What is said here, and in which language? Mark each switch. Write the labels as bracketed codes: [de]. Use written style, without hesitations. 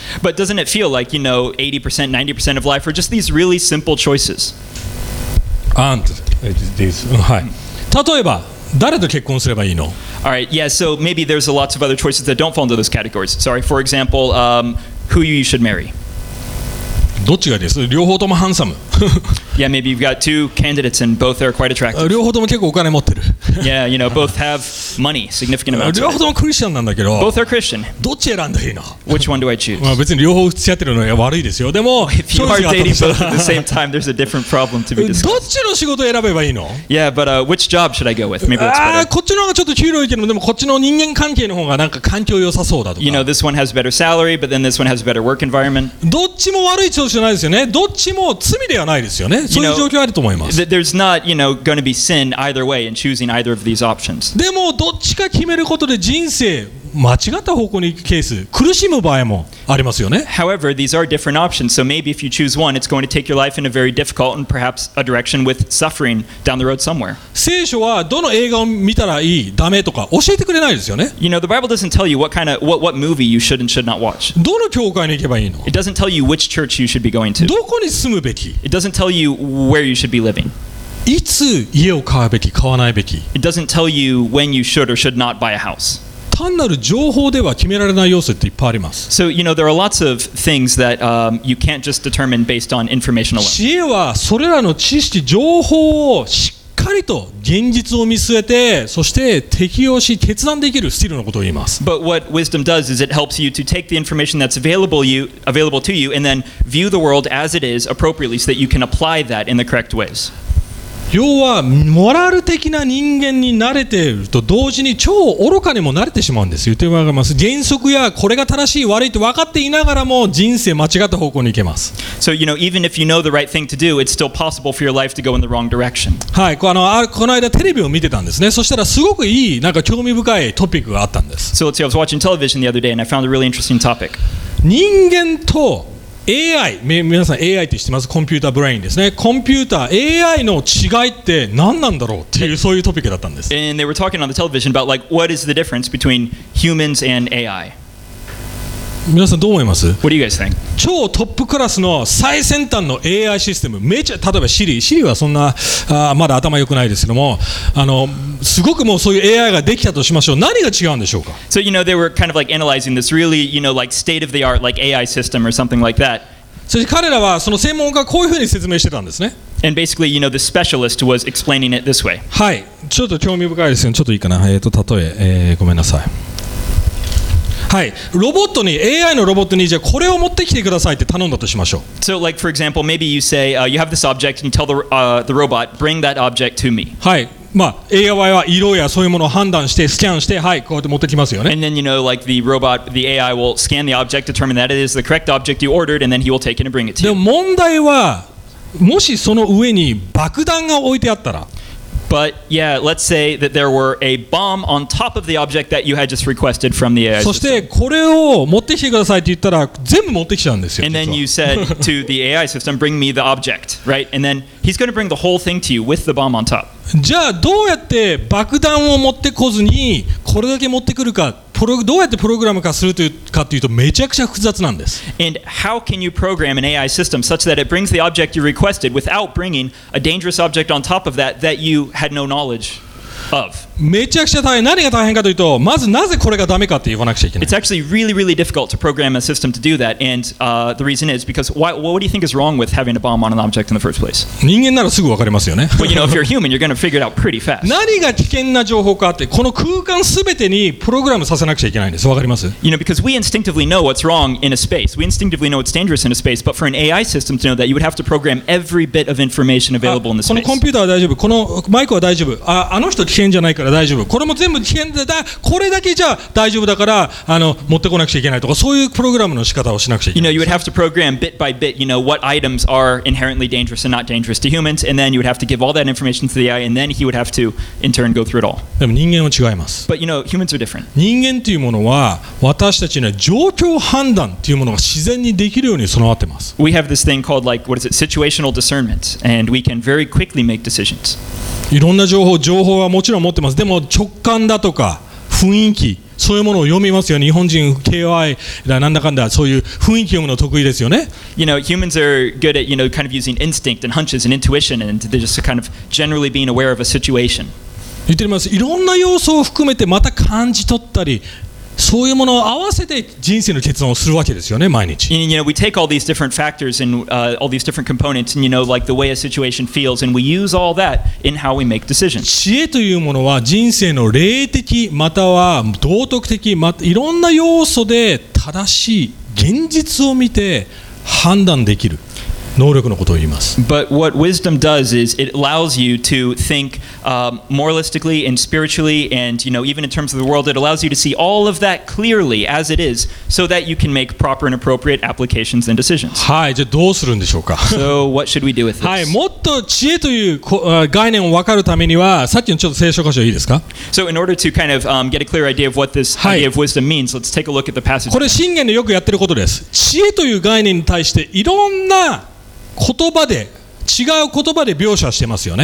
[en] But doesn't it feel like, you know, 80%, 90% of life are just these really simple choices? And these, right. [ja] 例えば、誰と結婚すればいいの? [en] All right, yeah, so maybe there's a lots of other choices that don't fall into those categories. Sorry, for example, who you should marry. [ja] どっちがです?両方ともハンサム。 [en] Yeah, maybe you've got two candidates and both are quite attractive. [ja] 両方とも結構お金持ってる。 [en] Yeah, you know, both have money, significant amounts. [ja] 両方ともクリスチャンなんだけど。 [en] Both are Christian. [ja] どっち選んでいいの? [en] Which one do I choose? [ja] まあ別に両方付き合ってるのは悪いですよ。でも、 [en] If you are dating both at the same time, there's a different problem to be discussed. [ja] どっちの仕事を選べばいいの? [en] Yeah, but which job should I go with? Maybe that's better. [ja] こっちの方がちょっと給料いいけど、でもこっちの人間関係の方がなんか環境良さそうだとか。 [en] You know, this one has better salary, but then this one has better work environment. [ja] どっちも悪い調子じゃないですよね。どっちも罪ではないですよね。そういう状況あると思います。 [en] There's not, you know, going to be sin either way in choosing either of these options. [ja] でもどっちか決めることで人生間違った方向に行くケース、苦しむ場合もありますよね。 [en] However, these are different options. So maybe if you choose one, it's going to take your life in a very difficult and perhaps a direction with suffering down the road somewhere. [ja] 聖書はどの映画を見たらいい、ダメとか教えてくれないですよね。 [en] You know, the Bible doesn't tell you what movie you should and should not watch. [ja] どの教会に行けばいいの? [en] It doesn't tell you which church you should be going to. [ja] どこに住むべき? [en] It doesn't tell you where you should be living. [ja] いつ家を買うべき、買わないべき。 [en] It doesn't tell you when you should or should not buy a house. [ja] 単なる情報では決められない要素っていっぱいあります。 [en] So, you know, there are lots of things that you can't just determine based on information alone. [ja] 知恵はそれらの知識、情報をしっかりと現実を見据えて、そして適用し、決断できるスキルのことを言います。 [en] But what wisdom does is it helps you to take the information that's available to you and then view the world as it is appropriately so that you can apply that in the correct ways. [ja] 要はモラル的な人間に慣れていると同時に超愚かにも慣れてしまうんですよ。言ってもらいます。原則やこれが正しい悪いと分かっていながらも人生間違った方向に行けます。 [en] So, you know, even if you know the right thing to do, it's still possible for your life to go in the wrong direction. [ja] はい、この間テレビを見てたんですね。そしたらすごくいい、なんか興味深いトピックがあったんです。 [en] So, let's see, I was watching television the other day and I found a really interesting topic. [ja] 人間とAI、 皆さん AI って知ってます？コンピュータブレインですね。コンピュータ AI の違いって何なんだろうっていう、そういうトピックだったんです。 [en] And they were talking on the television about like what is the difference between humans and AI。 [ja] 皆さんどう思います？ [en] What do you guys think? [ja] 超トップクラスの最先端の AI システム、めちゃ例えば Siri、 Siri はそんなまだ頭良くないですけども、すごくもうそういう AI ができたとしましょう。何が違うんでしょうか。 [en] So, you know, they were kind of like analyzing this really, you know, like state of the art, like AI system or something like that. [ja] そして彼らはその専門家こういうふうに説明してたんですね。 [en] And basically, you know, the specialist was explaining it this way. [ja] はい、ちょっと興味深いですよ。ちょっといいかな、例え、ごめんなさい。はい、ロボットに、 AI のロボットにじゃあこれを持ってきてくださいって頼んだとしましょう。 [en] So, like, for example, maybe you say, you have this object and you tell the robot, bring that object to me. [ja] はい、まあ、AI は色やそういうものを判断してスキャンして、はい、こうやって持ってきますよね。 [en] And then you know like the robot, the AI will scan the object, determine that it is the correct object you ordered, and then he will take it and bring it to you. [ja] でも問題はもしその上に爆弾が置いてあったら。 [en] But yeah, let's say that there were a bomb on top of the object that you had just requested from the AI system. [ja] そしてこれを持ってきてくださいって言ったら全部持ってきちゃうんですよ。 [en] And then you said to the AI system, bring me the object, right? And then he's going to bring the whole thing to you with the bomb on top. [ja] じゃあどうやって爆弾を持ってこずにこれだけ持ってくるか、どうやってプログラム化するというかというとめちゃくちゃ複雑なんです。 [en] And how can you program an AI system such that it brings the object you requested without bringing a dangerous object on top of that that you had no knowledge of? [ja] めちゃくちゃ大変。何が大変かというと、まずなぜこれがダメかって言わなくちゃいけない。 [en] It's actually really, really difficult to program a system to do that. And the reason is because why? What do you think is wrong with having a bomb on an object in the first place? [ja] 人間ならすぐ分かりますよね。 [en] But you know, if you're human, you're going to figure it out pretty fast. [ja] 何が危険な情報かって、この空間すべてにプログラムさせなくちゃいけないんです。分かります？ [en] You know, because we instinctively know what's wrong in a space. We instinctively know what's dangerous in a space. But for an AI system to know that, you would have to program every bit of information available in the space. [ja] このコンピューターは大丈夫。このマイクは大丈夫。あの人危険じゃないから。大丈夫。これも全部危険で、これだけじゃ大丈夫だから持ってこなくちゃいけないとか、そういうプログラムの仕方をしなくちゃいけない。 [en] You know, you would have to program bit by bit, you know, what items are inherently dangerous and not dangerous to humans, and then you would have to give all that information to the AI, and then he would have to in turn go through it all. [ja] でも人間は違います。 [en] But you know, humans are different. [ja] 人間というものは私たちの状況判断というものが自然にできるように備わってます。 [en] We have this thing called like, what is it, situational discernment, and we can very quickly make decisions. [ja] いろんな情報はもちろん持ってます。でも直感だとか雰囲気、そういうものを読みますよね。日本人 KOI だなんだかんだ、そういう雰囲気読むの得意ですよね。 [en] You know, humans are good at, you know, kind of using instinct and hunches and intuition, and they're just kind of generally being aware of a situation. [ja] 言ってます。いろんな要素を含めてまた感じ取ったり、そういうものを合わせて人生の結論をするわけですよね、毎日。 [en] And, you know, we take all these different factors and all these different components and, you know, like the way a situation feels, and we use all that in how we make decisions. [ja] 知恵というものは人生の霊的または道徳的、いろんな要素で正しい現実を見て判断できる能力のことを言います。 [en] But what wisdom does is it allows you to think moralistically and spiritually, and you know, even in terms of the world, it allows you to see all of that clearly as it is, so that you can make proper and appropriate applications and decisions. [ja] はい、じゃあどうするんでしょうか。 [en] So what should we do with this? [ja] はい、もっと知恵という概念を分かるためには、さっきのちょっと聖書箇所いいですか。 [en] So in order to kind of get a clear idea of what this idea of wisdom means, let's take a look at the passage. [ja] これ箴言でよくやってることです。知恵という概念に対していろんな言葉で、違う言葉で描写してますよね。